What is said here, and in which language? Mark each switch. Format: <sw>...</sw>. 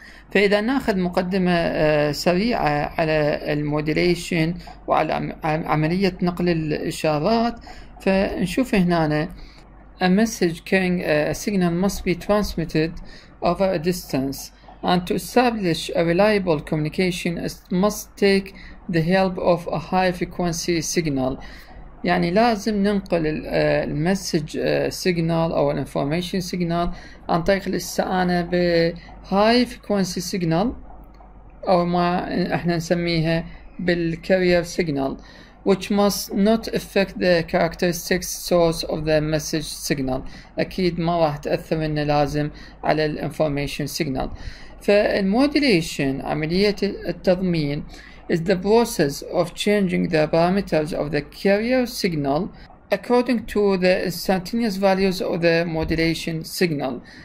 <ar>فإذا ناخذ مقدمة سريعة على الـ Modulation وعلى عملية نقل الإشارات، فنشوف هنا</ar> <en>A message carrying a signal must be transmitted over a distance, and to establish a reliable communication, it must take the help of a high frequency signal.</en> <ar>يعني لازم ننقل المسج سيجنال أو الانفورميشن سيجنال عن طريق الاستعانة بـ</ar> <en>high frequency signal،</en> <ar>أو ما احنا نسميها بالcarrier signal.</ar> <en>which must not affect the characteristic source of the message signal.</en> <ar>أكيد ما راح تأثر إنه لازم على الـ information signal.</ar> <en>فالـ modulation</en> <ar>عملية التضمين</ar> <en>is the process of changing the parameters of the carrier signal according to the instantaneous values of the modulation signal.</en>